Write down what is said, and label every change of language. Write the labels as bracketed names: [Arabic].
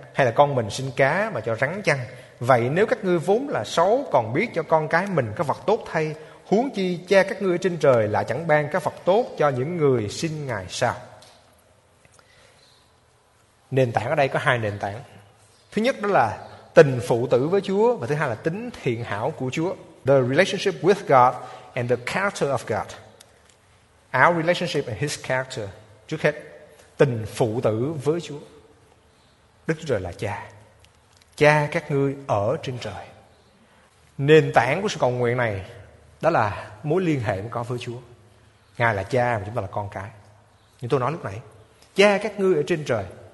[Vietnamese] Hay là con mình xin cá mà cho rắn chăng? Vậy nếu các ngươi vốn là xấu, còn biết cho con cái mình các vật tốt thay, huống chi cha các ngươi trên trời lại chẳng ban các vật tốt cho những người xin Ngài sao? Nền tảng ở đây có hai nền tảng. Thứ nhất đó là tình phụ tử với Chúa, và thứ hai là tính thiện hảo của Chúa. [English] The relationship with God and the character of God. Our relationship and His character. [Vietnamese] Trước hết, tình phụ tử với Chúa. Đức Chúa Trời là cha, cha các ngươi ở trên trời. Nền tảng của sự cầu nguyện này đó là mối liên hệ mình có với Chúa. Ngài là cha và chúng ta là con cái. Như tôi nói lúc nãy, cha các ngươi ở trên trời.